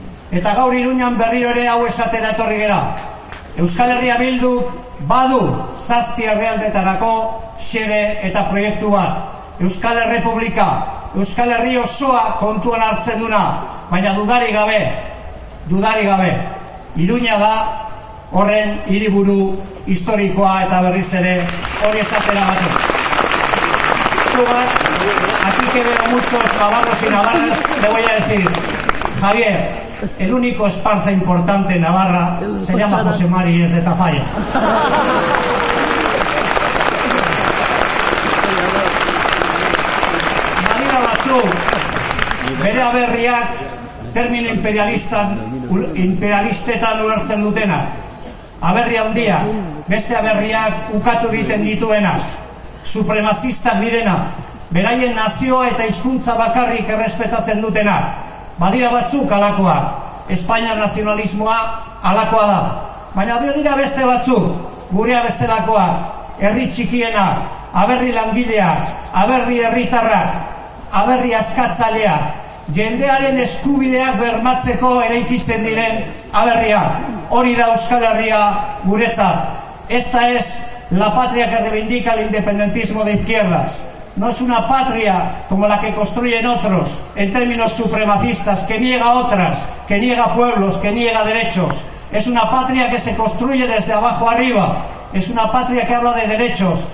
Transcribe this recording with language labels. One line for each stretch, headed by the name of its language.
Basque: Eta gaur Iruñan berriro ere hau esatera etorri gera. Euskal Herria Bildu badu 7 herrialdetarako xede eta proiektu bat. Euskal Errepublika, Euskal Herri osoa kontuan hartzen duna, baina dudarik gabe, Iruña da horren hiriburu historikoa eta berriz ere hori esatera batu.
Spanish: Aquí quedan muchos navarros y navarras, le voy a decir, Javier, el único esparza importante en Navarra se llama José Mari y es de Tafalla.
Basque: Manila Batzu, bere aberriak termino imperialistetan ulertzen dutena. Aberri handia, beste aberriak ukatu egiten dituena. Supremacista direna, beraien nazioa eta hizkuntza bakarrik errespetatzen dutena. Badira batzuk alakoak. Espainiar nazionalismoa alakoa da. Baina dira beste batzuk, gurea bezalakoak, herri txikiena, aberri langileak, aberri herritarrak, aberri askatzaileak, jendearen eskubideak bermatzeko eraikitzen diren aberriak. Hori da Euskal Herria guretzat.
Spanish: Esta es la patria que reivindica el independentismo de izquierdas. No es una patria como la que construyen otros en términos supremacistas, que niega otras, que niega pueblos, que niega derechos. Es una patria que se construye desde abajo arriba. Es una patria que habla de derechos.